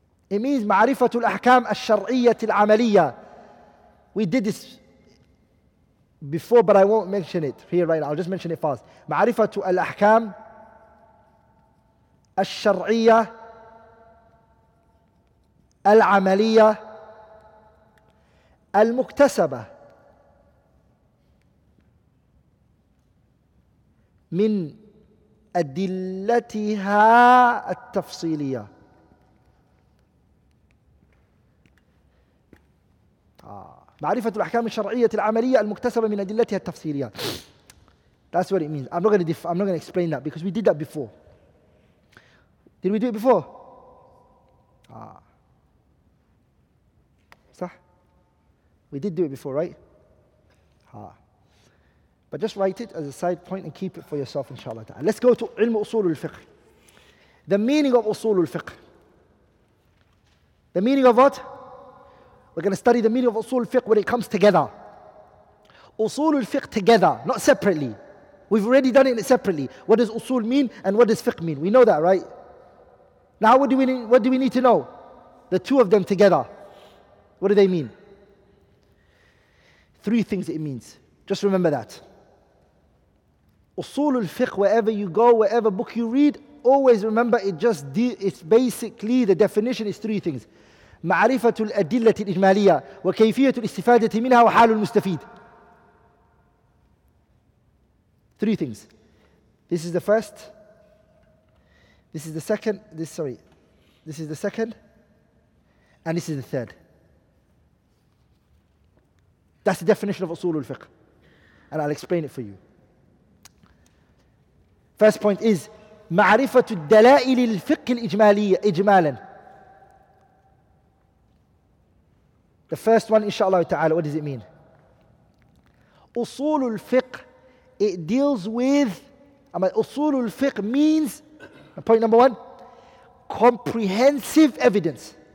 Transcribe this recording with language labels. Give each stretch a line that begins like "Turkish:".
English: It means
Arabic: معرفة الأحكام الشرعية العملية.
English: We did this before, but I won't mention it here right now. I'll just mention it fast.
Arabic: معرفة الأحكام الشرعية العملية المكتسبة من أدلتها التفصيلية. معرفة الأحكام الشرعية العملية المكتسبة من أدلتها التفصيلية.
English: That's what it means. I'm not gonna explain that because we did that before. Did we do it before? صح. We did do it before, right? But just write it as a side point and keep it for yourself, inshallah ta'ala. Let's go to
Arabic: علم أصول الفقه.
English: The meaning of
Arabic: أصول الفقه.
English: The meaning of what? We're going to study the meaning of usul al-fiqh when it comes together. Usul al-fiqh together, not separately. We've already done it separately. What does usul mean and what does fiqh mean? We know that, right? Now what do we need to know? The two of them together. What do they mean? Three things it means. Just remember that. Usul al-fiqh, wherever you go, wherever book you read, always remember it's basically, the definition is three things.
Arabic: معرفة الأدلة الإجمالية وكيفية الاستفادة منها وحال المستفيد.
English: Three things. This is the first. This is the second. This is the second. And this is the third. That's the definition of
Arabic: أصول الفقه.
English: And I'll explain it for you. First point is
Arabic: معرفة الدلائل الفقه الإجمالية إجمالا.
English: The first one, inshallah ta'ala, what does it mean? Usul al-fiqh, it deals with, usul al-fiqh means, point number one, comprehensive evidence.